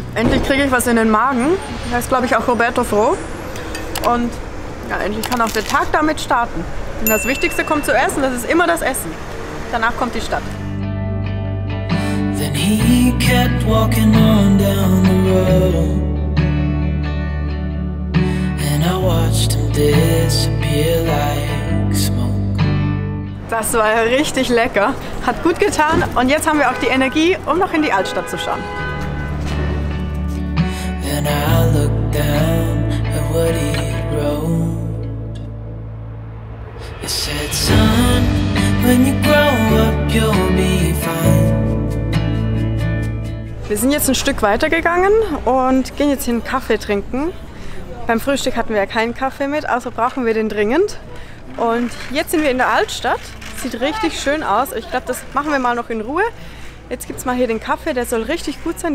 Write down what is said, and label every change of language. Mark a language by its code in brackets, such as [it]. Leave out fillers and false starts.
[de] Endlich kriege ich was in den Magen. Da ist, glaube ich, auch Roberto froh. Und ja, endlich kann auch der Tag damit starten. Denn das Wichtigste kommt zu essen, das ist immer das Essen. Danach kommt die Stadt. [en] He kept walking on down the road, and I watched him disappear like smoke. [de] Das war ja richtig lecker. Hat gut getan und jetzt haben wir auch die Energie, um noch in die Altstadt zu schauen. [en] And I looked down at what he wrote. He said, son, when you grow up, you'll be fine. [de] Wir sind jetzt ein Stück weiter gegangen und gehen jetzt hier einen Kaffee trinken. Beim Frühstück hatten wir ja keinen Kaffee mit, also brauchen wir den dringend. Und jetzt sind wir in der Altstadt. Sieht richtig schön aus. Ich glaube, das machen wir mal noch in Ruhe. Jetzt gibt es mal hier den Kaffee, der soll richtig gut sein.